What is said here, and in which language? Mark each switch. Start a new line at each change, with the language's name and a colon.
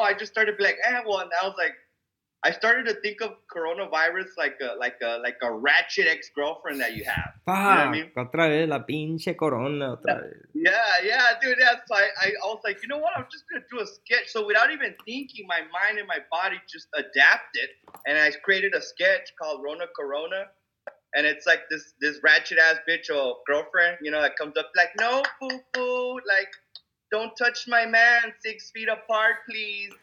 English: I just started to be like, and I was like, I started to think of coronavirus like a ratchet ex-girlfriend that you have. Ah, you know what I mean?
Spanish: Otra vez la pinche corona, otra vez.
English: Yeah, dude. Yeah. So I was like, you know what? I'm just going to do a sketch. So without even thinking, my mind and my body just adapted. And I created a sketch called Rona Corona. And it's like this ratchet ass bitch or girlfriend, you know, that comes up like, no, poo poo, like, don't touch my man 6 feet apart, please.